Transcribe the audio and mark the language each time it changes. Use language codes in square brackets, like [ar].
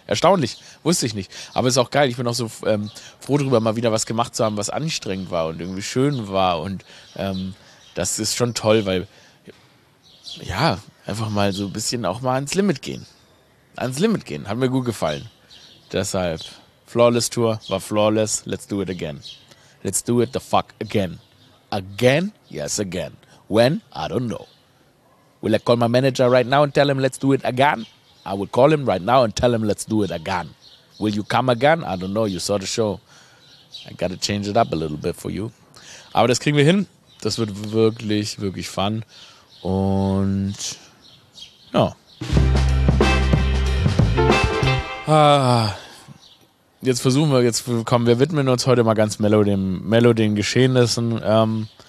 [de] Erstaunlich, wusste ich nicht. Aber ist auch geil, ich bin auch so froh darüber, mal wieder was gemacht zu haben, was anstrengend war und irgendwie schön war. Und das ist schon toll, weil, ja, einfach mal so ein bisschen auch mal ans Limit gehen. Ans Limit gehen, hat mir gut gefallen. [en] Deshalb, Flawless Tour war flawless, let's do it again. Let's do it the fuck again. Again? Yes, again. When? I don't know. Will I call my manager right now and tell him let's do it again? I would call him right now and tell him let's do it again. Will you come again? I don't know. You saw the show. I gotta change it up a little bit for you. [de] Aber das kriegen wir hin. Das wird wirklich, wirklich fun. Und ja. Ah. Jetzt versuchen wir, jetzt kommen wir, widmen uns heute mal ganz mellow den Geschehnissen.